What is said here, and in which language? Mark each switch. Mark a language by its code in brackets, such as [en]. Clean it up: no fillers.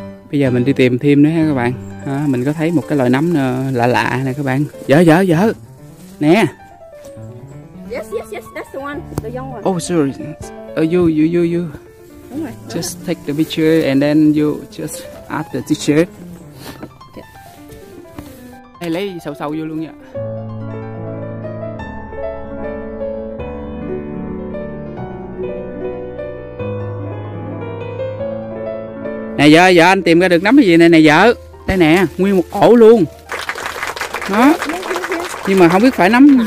[vi] Bây giờ mình đi tìm thêm nữa ha các bạn. À, mình có thấy một cái loại nấm lạ lạ nè các bạn. Dở. Nè. [en] Yes, that's the one. The young one. Oh, sorry. You. Okay. Just take the picture and then you just ask the teacher. Okay. [vi] Đây, lấy sầu sầu vô luôn nha. Này vợ, vợ anh tìm ra được nấm cái gì này nè vợ. Đây nè, nguyên một ổ luôn. Đó. Nhưng mà không biết phải nấm.